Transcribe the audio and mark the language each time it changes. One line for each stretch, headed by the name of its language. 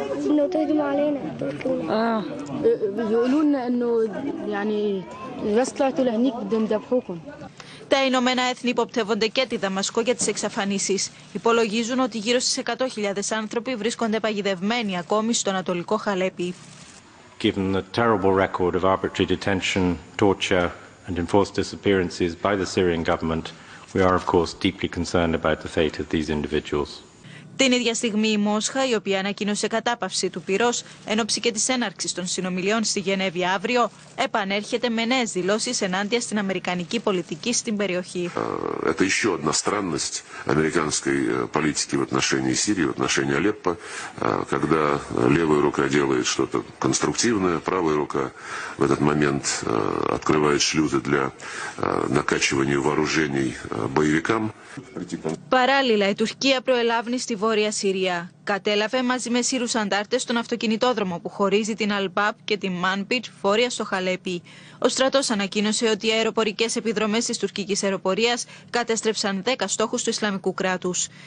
Greek: Είναι ούτε τη μαλένα. Τα Ηνωμένα Έθνη υποπτεύονται και τη Δαμασκό για τις εξαφανίσεις. Υπολογίζουν ότι γύρω στις 100.000 άνθρωποι βρίσκονται παγιδευμένοι ακόμη στο ανατολικό Χαλέπι.
English: Given the terrible record of arbitrary detention, torture and enforced disappearances by the Syrian government, we are of course deeply concerned about the fate of these individuals.
Greek: Την ίδια στιγμή η Μόσχα, η οποία ανακοίνωσε κατάπαυση του πυρός εν ώψη και της έναρξης των συνομιλιών στη Γενέβη αύριο, επανέρχεται με νέες δηλώσεις ενάντια στην αμερικανική πολιτική στην περιοχή.
Russian: Это ещё одна странность американской политики в отношении Сирии, в отношении Алеппо, когда левая рука делает что-то конструктивное, правая рука в этот момент открывает шлюзы для накачивания вооружений боевикам.
Greek: Παράλληλα, η Τουρκία προελάβνει στη Βόρεια Συρία. Κατέλαβε μαζί με Σύρους αντάρτες τον αυτοκινητόδρομο που χωρίζει την Αλπάπ και την Μάνπιτ βόρεια στο Χαλέπι. Ο στρατός ανακοίνωσε ότι οι αεροπορικές επιδρομές της τουρκικής αεροπορίας κατέστρεψαν 10 στόχους του Ισλαμικού κράτους.